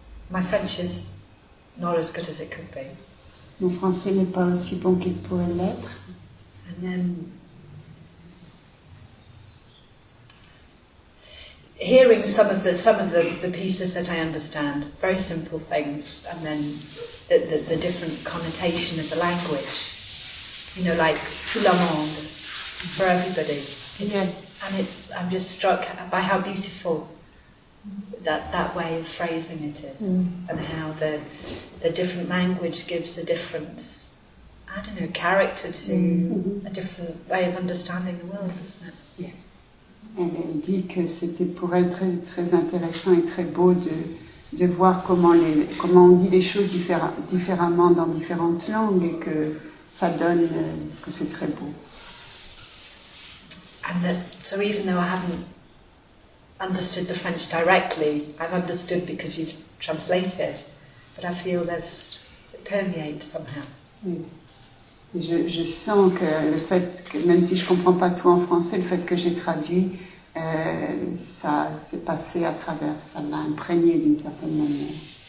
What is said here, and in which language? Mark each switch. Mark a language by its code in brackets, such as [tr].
[en] My French is not as good as it could be. [fr] Mon français n'est pas aussi bon qu'il pourrait l'être. [en] And then, hearing some of the pieces that I understand, very simple things, and then the different connotation of the language, you know, like [fr] tout le monde, [en] for everybody. It's, yes. And I'm just struck by how beautiful that way of phrasing it is, and how the different language gives a different, I don't know, character to a different way of understanding the world, isn't it? Yes. [fr] Elle dit que c'était pour elle très, très intéressant et très beau de voir comment on dit les choses différemment dans différentes langues et que ça donne que c'est très beau. [en] And that, so even though I haven't understood the French directly, I've understood because you've translated, but I feel there's it permeates somehow. Mm. [fr] Je sens que le fait que, même si je ne comprends pas tout en français, le fait que j'ai traduit, ça s'est passé à travers, ça m'a imprégné d'une certaine manière.